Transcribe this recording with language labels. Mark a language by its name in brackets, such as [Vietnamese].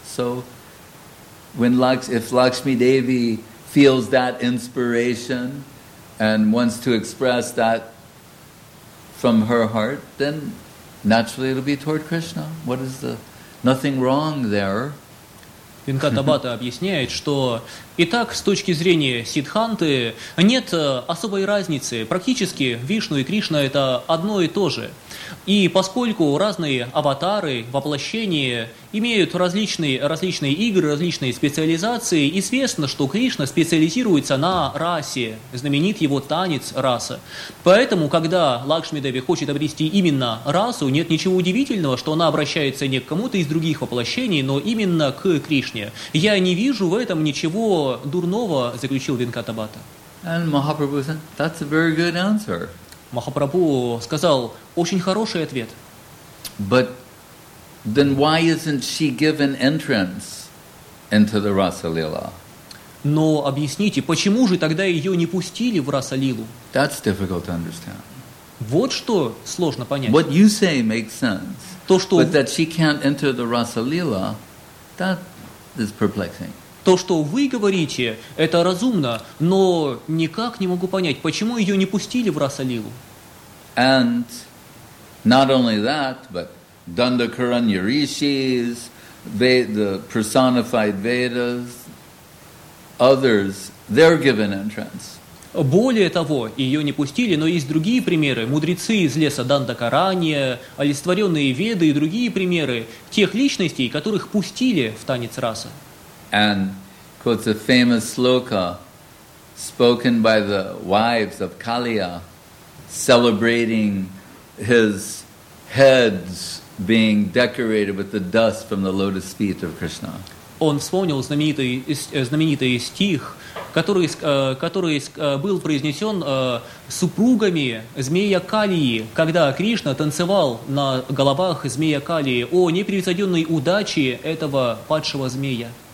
[English] So, if Lakshmi Devi feels that inspiration and wants to express that from her heart, then naturally it'll be toward Krishna. What is the nothing wrong there? [Russian] Венкатабата объясняет, что и так, с точки зрения Сиддханты, нет особой разницы. Практически Вишну и Кришна – это одно и то же. И поскольку разные аватары, воплощения имеют различные игры, различные специализации, известно, что Кришна специализируется на расе, знаменит его танец раса. Поэтому, когда Лакшмидеви хочет обрести именно расу, нет ничего удивительного, что она обращается не к кому-то из других воплощений, но именно к Кришне. Я не вижу в этом ничего дурного, заключил Венкатабата. [English] And Mahaprabhu said, that's a very good answer. [Russian] Махапрабху сказал, очень хороший ответ. [English] But then why isn't she given entrance into the Rasa-lila? [Russian] Но объясните, почему же тогда ее не пустили в Раса-лилу? [English] That's difficult to understand. [Russian] Вот что сложно понять. [English] What you say makes sense. [Russian] То, что... [English] But that she can't enter the Rasa-lila, that is perplexing. [Russian] То, что вы говорите, это разумно, но никак не могу понять, почему ее не пустили в Раса-лилу. [English] And not only that, but Dandakaranya Rishis, the personified Vedas, others, they're given entrance. [Russian] Более того, ее не пустили, но есть другие примеры. Мудрецы из леса Дандакаранья, олицетворенные Веды и другие примеры тех личностей, которых пустили в танец расы. [English] And quotes a famous sloka spoken by the wives of Kaliya, celebrating his heads being decorated with the dust from the lotus feet of Krishna. [Russian] Он вспомнил знаменитый стих, который был произнесен супругами змея Калии, когда Кришна танцевал на головах змея Калии о непревзойденной удаче этого падшего змея.